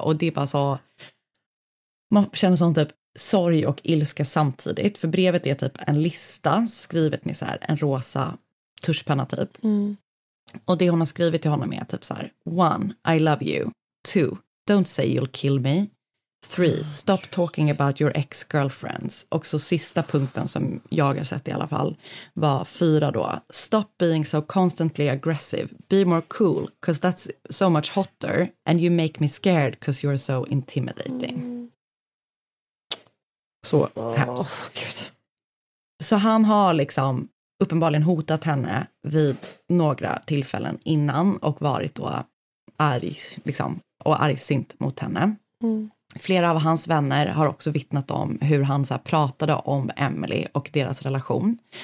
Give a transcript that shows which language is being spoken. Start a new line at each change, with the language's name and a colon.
Swedish: Och det är bara så, man känner sånt typ sorg och ilska samtidigt. För brevet är typ en lista skrivet med så här en rosa tuschpenna typ. Och det hon har skrivit till honom är typ så här: 1.
English: I love you. 2. Don't say you'll kill me. 3. Stop talking about your ex-girlfriends.
Swedish: Och så sista punkten som jag har sett i alla fall var 4 då.
English: Stop being so constantly aggressive. Be more cool, cause that's so much hotter. And you make me scared, cause you're so intimidating.
Swedish: Så hemskt. Så han har liksom uppenbarligen hotat henne vid några tillfällen innan och varit då arg, liksom, och argsint mot henne. Flera av hans vänner har också vittnat om hur han så här pratade om Emily och deras relation.